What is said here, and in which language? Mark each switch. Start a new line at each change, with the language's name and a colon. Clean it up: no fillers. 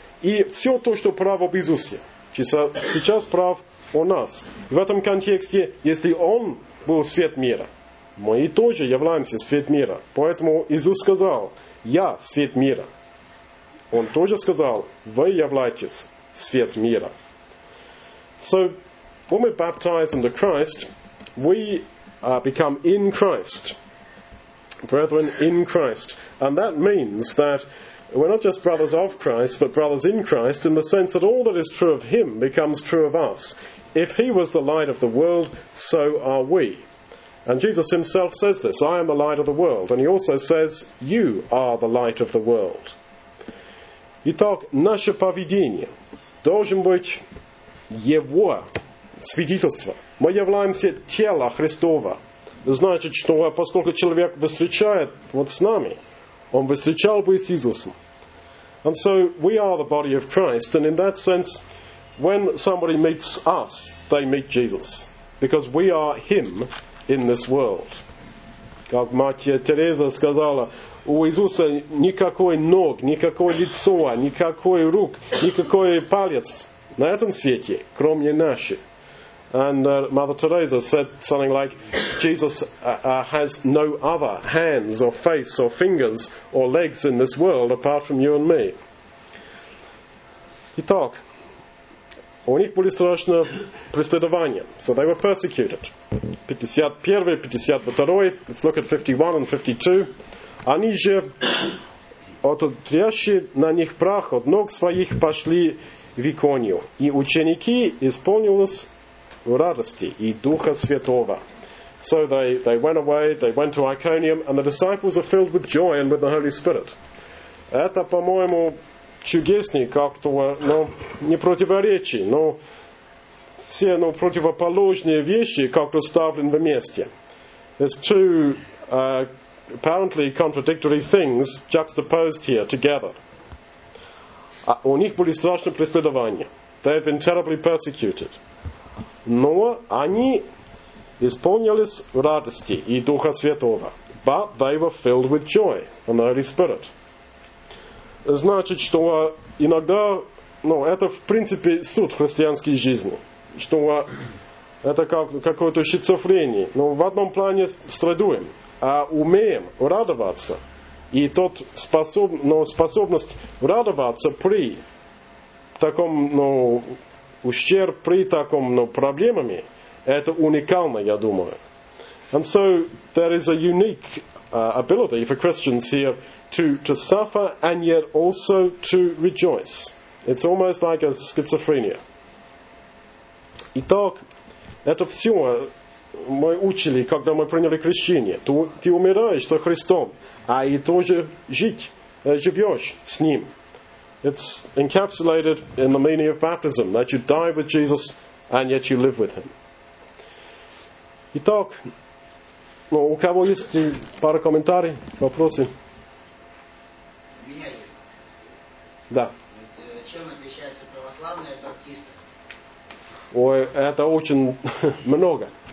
Russian: И все то, что прав об Иисусе, сейчас прав о нас. В этом контексте, если Он был свет мира, мы и тоже являемся свет мира. Поэтому Иисус сказал, я свет мира. Он тоже сказал, вы являетесь свет мира.
English: So, when we're baptized into Christ, we become in Christ. Brethren, in Christ. And that means that we're not just brothers of Christ, but brothers in Christ, in the sense that all that is true of Him becomes true of us. If He was the light of the world, so are we. And Jesus Himself says this, I am the light of the world. And He also says, you are the light of the world.
Russian: Итак, наше поведение должен быть Его свидетельство. Мы являемся тело Христова. Значит, что поскольку человек встречает вот с нами, он встречал бы с Иисусом.
English: And so we are the body of Christ, and in that sense, when somebody meets us, they meet Jesus. Because we are Him in this world.
Russian: Как Матья Тереза сказала, у Иисуса никакой ног, никакой лицо, никакой рук, никакой палец на этом свете, кроме нашей.
English: And Mother Teresa said something like, Jesus has no other hands or face or fingers or legs in this world apart from you and me.
Russian: Итак, у них были страшные преследования.
English: So they were persecuted. 51, 52, let's look at 51 and 52.
Russian: Они же, отодрящие на них прах от ног своих, пошли в Иконию. И ученики исполнились в радости и Духа Святого.
English: So they went away, they went to Iconium, and the disciples are filled with joy and with the Holy Spirit.
Russian: Это, по-моему, чудеснее как-то, но не противоречие, но все, но противоположные вещи как-то ставлены вместе.
English: There's two apparently contradictory things juxtaposed here together.
Russian: У них были страшные преследования.
English: They've been terribly persecuted.
Russian: Но они исполнились в радости и Духа Святого.
English: But they were filled with joy and the Holy Spirit.
Russian: Значит, что иногда, ну, это в принципе суть христианской жизни. Что это как какое-то шизофрение. Но в одном плане страдуем, а умеем радоваться. И тот способность радоваться при таком, ну, ущерб при таком, но проблемами, это уникально, я думаю.
English: And so, there is a unique ability for Christians here to suffer and yet also to rejoice. It's almost like a schizophrenia.
Russian: Итак, это все мы учили, когда мы приняли крещение. Ты умираешь со Христом, а и тоже живешь с Ним.
English: It's encapsulated in the meaning of baptism, that you die with Jesus and yet you live with Him.
Russian: Итак, ну, у кого есть пара комментариев, вопросы? Меня есть. Да. Чем отличается православные от баптисты? Ой, это очень много.